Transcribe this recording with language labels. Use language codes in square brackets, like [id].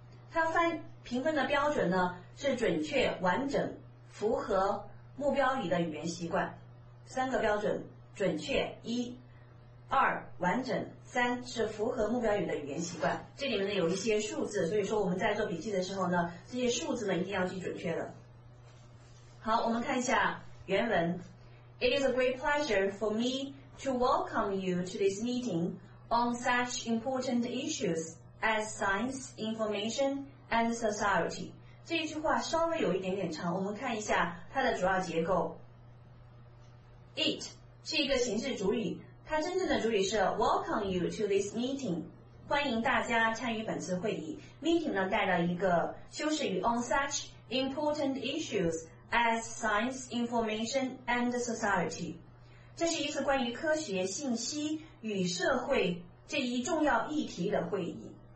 [zh] 它翻评分的标准呢是准确完整符合目标语的语言习惯，三个标准，准确一二完整三是符合目标语的语言习惯。这里面呢有一些数字，所以说我们在做笔记的时候呢，这些数字呢一定要记准确的。好，我们看一下原文。 [en] It is a great pleasure for me to welcome you to this meeting on such important issues as science, information and society。 [zh] 这一句话稍微有一点点长，我们看一下它的主要结构。 It 是一个形式主语，它真正的主语是 [en] welcome you to this meeting， [zh] 欢迎大家参与本次会议。 meeting 呢带了一个修饰语 [en] on such important issues as science, information and society， [zh] 这是一次关于科学信息与社会这一重要议题的会议。